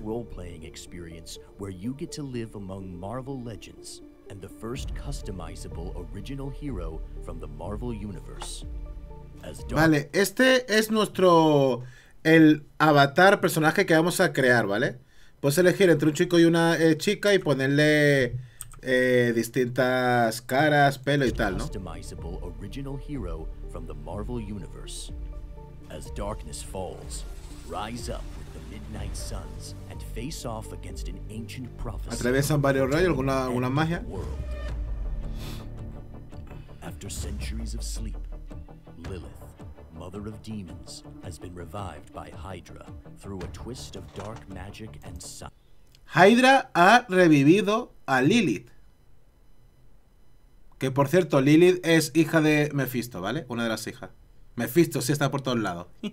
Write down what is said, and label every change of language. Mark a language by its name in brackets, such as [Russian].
[English] Role-playing experience where you get to live among Marvel legends and the first customizable original hero from the Marvel universe. [Spanish] Vale, este es nuestro. El avatar personaje que vamos a crear, ¿vale? Puedes elegir entre un chico y una chica y ponerle distintas caras, pelo y tal, ¿no? [English] Customizable original hero from the Marvel Universe. As darkness falls, rise up with the midnight suns and face off against an ancient prophecy. [Spanish] Atraviesan varios rayos, alguna magia. [English] After centuries of sleep, Lilith, mother of demons, has been revived by Hydra through a twist of dark magic and sun. [Spanish] Hydra ha revivido a Lilith. Que por cierto, Lilith es hija de Mephisto, ¿vale? Una de las hijas. Mephisto sí está por todos lados.